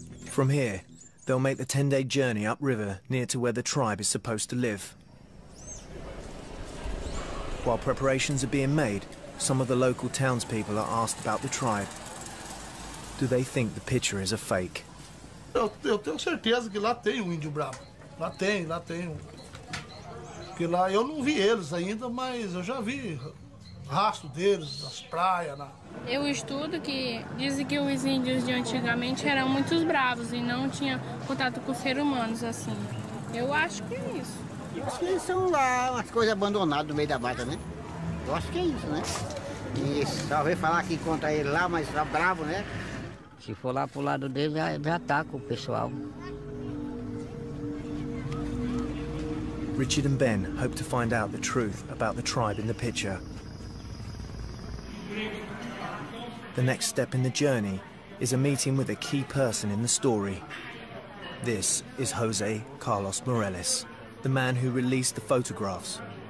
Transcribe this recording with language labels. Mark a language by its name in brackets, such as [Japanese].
[English] From here, they'll make the 10-day journey upriver near to where the tribe is supposed to live. While preparations are being made, some of the local townspeople are asked about the tribe. Do they think the picture is a fake? [Portuguese] Eu tenho certeza que lá tem um índio bravo. Lá tem um. Porque lá eu não vi eles ainda, mas eu já vi rastro deles nas praias. Na... Eu estudo que dizem que os índios de antigamente eram muito bravos e não tinham contato com seres humanos assim. Eu acho que é isso. Eu acho que eles são lá, umas coisas abandonadas no meio da mata, né? Eu acho que é isso, né? E só vem falar que encontra ele lá, mas tá bravo, né? Se for lá pro lado dele, já ataca o pessoal. [English] Richard and Ben hope to find out the truth about the tribe in the picture. The next step in the journey is a meeting with a key person in the story. This is Jose Carlos Morales, the man who released the photographs.